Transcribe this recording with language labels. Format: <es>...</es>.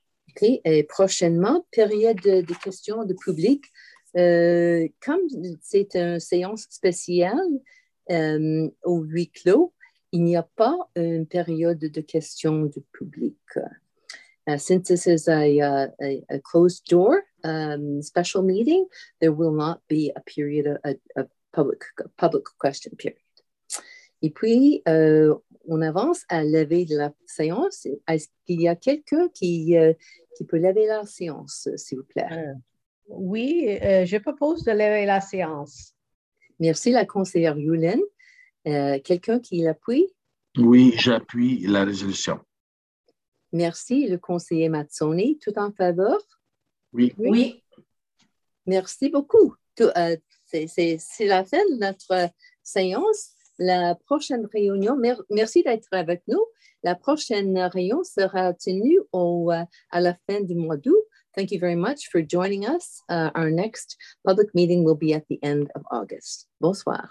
<fr>Okay. Et prochainement, période de questions du public. Comme c'est une séance spéciale au huis clos, il n'y a pas une période de questions du public.</fr> <en>Since this is a closed door special meeting, there will not be a period of a public question period.</en> <fr>Et puis, on avance à lever la séance. Est-ce qu'il y a quelqu'un qui peut lever la séance, s'il vous plaît? Oui, je propose de lever la séance. Merci, la conseillère Yulin. Quelqu'un qui l'appuie? Oui, j'appuie la résolution. Merci, le conseiller Mazzoni. Tout en faveur? Oui. Oui. Merci beaucoup. C'est la fin de notre séance. La prochaine réunion, merci d'être avec nous. La prochaine réunion sera tenue à la fin du mois d'août.</fr> <en>Thank you very much for joining us. Our next public meeting will be at the end of August.</en> <fr>Bonsoir.</fr>